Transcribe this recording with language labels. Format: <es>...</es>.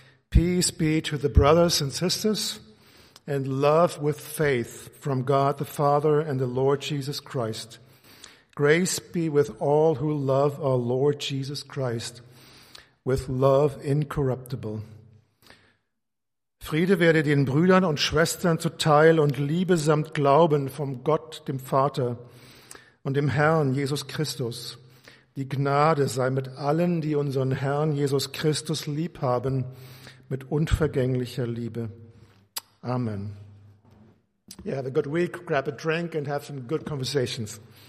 <en>Peace be to the brothers and sisters, and love with faith from God the Father and the Lord Jesus Christ. Grace be with all who love our Lord Jesus Christ, with love incorruptible.</en> <de>Friede werde den Brüdern und Schwestern zuteil und Liebe samt Glauben vom Gott, dem Vater und dem Herrn Jesus Christus. Die Gnade sei mit allen, die unseren Herrn Jesus Christus lieb haben, mit unvergänglicher Liebe.</de> <en>Amen. Yeah, have a good week. Grab a drink and have some good conversations.</en>